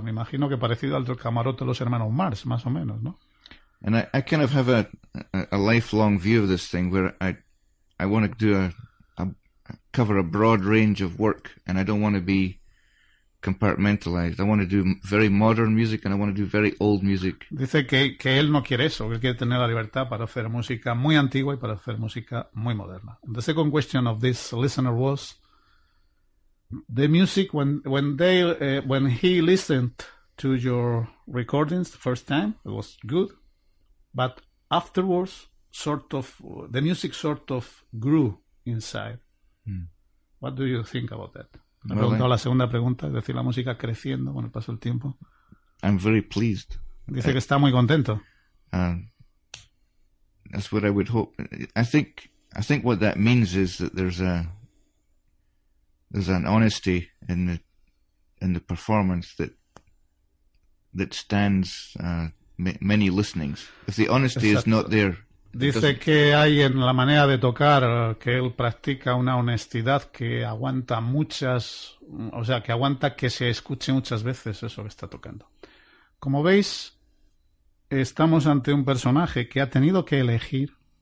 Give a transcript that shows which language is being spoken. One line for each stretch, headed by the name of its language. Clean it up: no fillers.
Spanish: Me imagino que parecido al camarote de los hermanos Marx, más o menos, ¿no?
English: And I kind of have a lifelong view of this thing, where I want to do cover a broad range of work, and I don't want to be compartmentalized. I want to do very modern music, and I want to do very old music.
Spanish: Dice que él no quiere eso, que él quiere tener la libertad para hacer música muy antigua y para hacer música muy moderna.
English: The second question of this listener was, the music, when he listened to your recordings the first time, it was good, but afterwards, the music sort of grew inside. What do you think about that?
Spanish: La segunda pregunta, es decir, la música creciendo con el paso del tiempo.
English: I'm very pleased.
Spanish: Dice que está muy contento.
English: That's what I would hope. I think what that means is that there's an honesty in the performance that stands many listenings. If the honesty is not there.
Spanish: Dice que hay en la manera de tocar que él practica una honestidad que aguanta muchas, o sea, que aguanta que se escuche muchas veces eso que está tocando. Como veis, estamos ante un personaje que ha tenido que elegir.